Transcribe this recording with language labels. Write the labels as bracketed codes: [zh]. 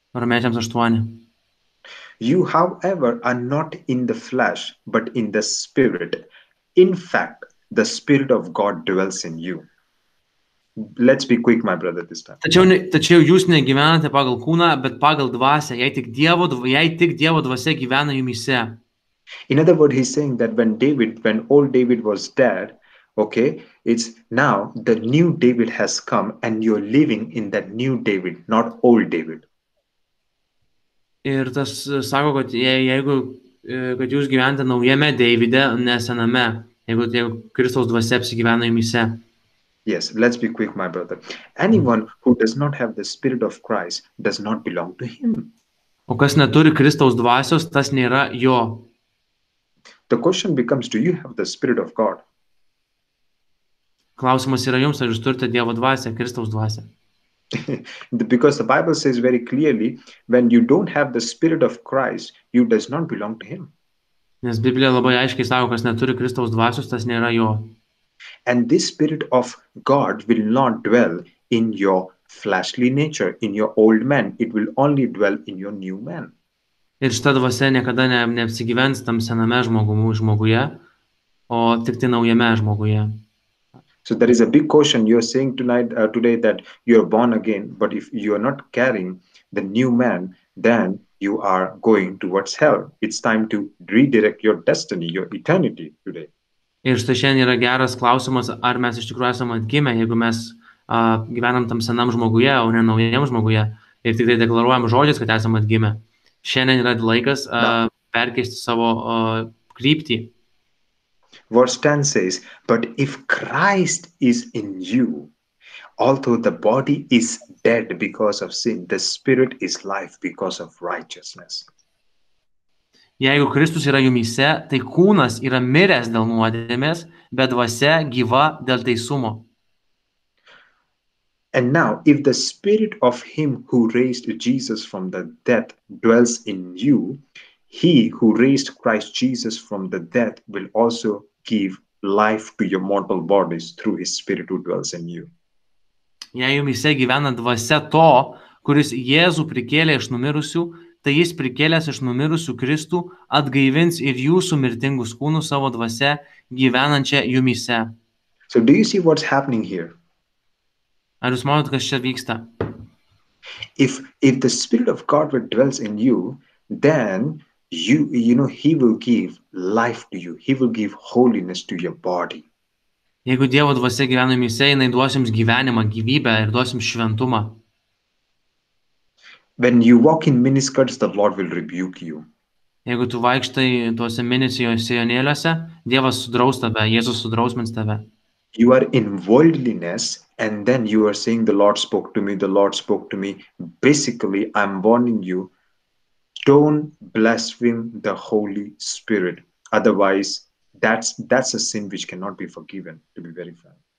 [en] You, however, are not in the flesh, but in the spirit. In fact, the spirit of God dwells in you. Let's be quick, my brother, this time. [lt] Tačiau jūs negyvenate pagal kūną, bet pagal dvasę, jei tik Dievo dvasė gyvena jumyse. [en] In other words, he's saying that when old David was dead, okay, it's now the new David has come and you're living in that new David, not old David. [lt] Ir tas sako, kad jeigu jūs gyvenate naujame Davide, ne sename, jeigu Kristaus dvasė apsigyvena jumyse. [en] Yes, let's be quick, my brother. Anyone who does not have the spirit of Christ does not belong to him. [lt] O kas neturi Kristaus dvasios, tas nėra jo. [en] The question becomes, do you have the spirit of God? [lt] Klausimas yra jums, ar jūs turite Dievo dvasią, Kristaus dvasią? [en] Because the Bible says very clearly, when you don't have the spirit of Christ, you does not belong to him. [lt] Nes Biblija labai aiškiai sako, kas neturi Kristaus dvasios, tas nėra jo. [en] And this spirit of God will not dwell in your fleshly nature, in your old man. It will only dvell in your new man. [lt] Ir šita dvasia niekada neapsigyvens tam sename žmoguje, o tik tai naujame žmoguje. [en] So there is a big question you are saying tonight, today that you are born again, but if you are not carrying the new man, then you are going towards hell. It's time to redirect your destiny, your eternity today. [lt] Ir štai šiandien yra geras klausimas, ar mes iš tikrųjų esame atgimę, jeigu mes gyvenam tam senam žmoguje, o ne naujam žmoguje, ir tik tai deklaruojam žodžius, kad esame atgimę. Šiandien yra laikas perkeisti savo kryptį. [en] Verse 10 says, but if Christ is in you, although the body is dead because of sin, the spirit is life because of righteousness. [lt] Jeigu Kristus yra jumyse, tai kūnas yra miręs dėl nuodėmės, bet dvasia gyva dėl teisumo. [en] And now, if the spirit of him who raised Jesus from the dead dwells in you, he who raised Christ Jesus from the dead will also give life to your mortal bodies through his spirit who dwells in you. [lt] Jei jumyse gyvena dvasia to, kuris Jėzų prikėlė iš numirusių, tai jis prikėlęs iš numirusių Kristų atgaivins ir jūsų mirtingus kūnus savo dvasia gyvenančią jumyse. [en] So do you see what's happening here? [lt] Ar jūs manot, kas čia vyksta? [en] If the spirit of God dwells in you, then you know he will give life to you. He will give holiness to your body. [lt] Jeigu Dievo dvasia gyvena jumyse, jinai duos jums gyvenimą, gyvybę ir duos jums šventumą. [en] When you walk in miniskirts, the Lord will rebuke you. [lt] Jeigu tu vaikštai tuose minisijonėliuose, Dievas sudraus tave, Jėzus sudrausmins tave. [en] You are in worldliness, and then you are saying, the Lord spoke to me. Basically, I'm warning you, don't blaspheme the Holy Spirit. Otherwise, that's a sin which cannot be forgiven, to be very fair.